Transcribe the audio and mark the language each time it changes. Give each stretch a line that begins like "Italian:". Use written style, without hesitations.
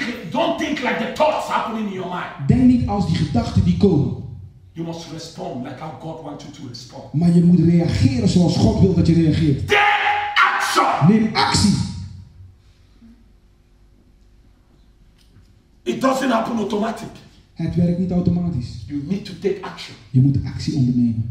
English: Don't think like the thoughts happening in your mind.
Dutch: Denk niet als die gedachten die komen.
English: You must respond like how God wants you to respond.
Dutch: Maar je moet reageren zoals God wil dat je reageert.
English: Take action.
Dutch: Neem actie.
English: It doesn't happen automatic.
Dutch: Het werkt niet automatisch.
English: You need to take action.
Dutch: Je moet actie ondernemen.